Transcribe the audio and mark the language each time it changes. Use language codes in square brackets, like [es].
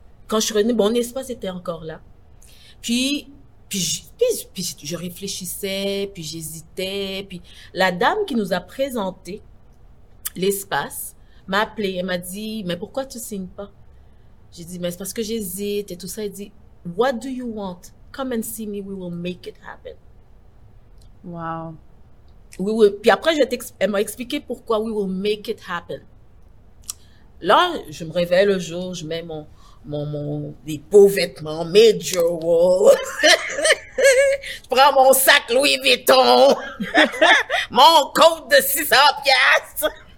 [fr] Quand je suis revenue, mon espace était encore là. Puis je réfléchissais, puis j'hésitais. Puis la dame qui nous a présenté l'espace m'a appelée. Elle m'a dit, mais pourquoi tu ne signes pas? J'ai dit, mais c'est parce que j'hésite et tout ça. Elle dit, [en] what do you want? Come and see me, we will make it happen. Wow. [fr] Oui, oui. Puis après, elle m'a expliqué pourquoi [en] we will make it happen. [fr] Là, je me réveille le jour, je mets mes beaux vêtements, mes jewels. Je prends mon sac Louis Vuitton, mon coat de 600 $.